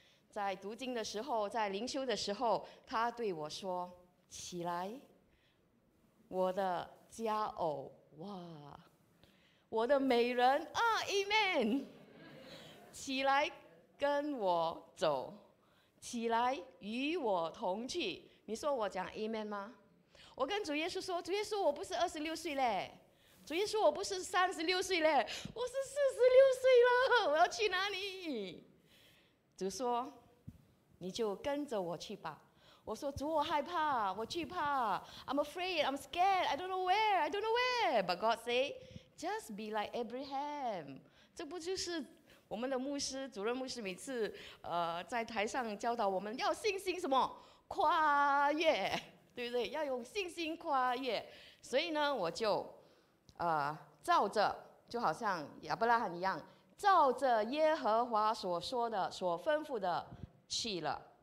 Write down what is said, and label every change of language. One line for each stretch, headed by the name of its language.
Chinese: 在读经的时候，在灵修的时候，他对我说：“起来，我的佳偶，哇，我的美人啊 ，Amen， 起来跟我走，起来与我同去。” 你说我讲 Amen 吗？我跟主耶稣说，主耶稣，我不是26岁嘞，主耶稣，我不是36岁嘞，我是46岁了，我要去哪里？主说，你就跟着我去吧。我说，主，我害怕，我惧怕，
English: I'm afraid, I'm scared, I don't know where,
Chinese: I don't know where.
English: But God say, just be like Abraham.
Chinese: 这不就是我们的牧师，主任牧师每次在台上教导我们要信心什么？跨越，对不对？要用信心跨越。所以呢，我就照着，就好像亚伯拉罕一样，照着耶和华所说的、所吩咐的去了。